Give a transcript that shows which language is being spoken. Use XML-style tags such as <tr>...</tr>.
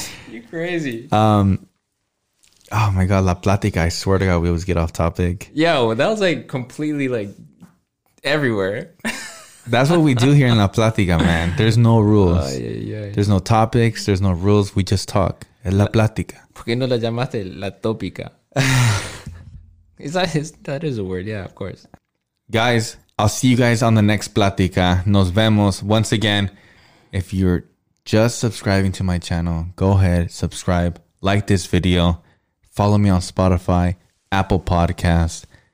<en>You crazy. Oh my god, La Plática, I swear to god we always get off topic. Yo, that was like completely like everywhere. That's what we do here in La Plática, man. There's no rules. There's no topics, there's no rules, we just talk.</en> <es>En La Plática. ¿Por qué no la llamaste La Tópica?</es> <en>That is a word, yeah, of course. Guys, I'll see you guys on the next plática.</en> <es>Nos vemos.</es> <en>Once again, if you're just subscribing to my channel, go ahead, subscribe, like this video, follow me on Spotify, Apple Podcast.</en>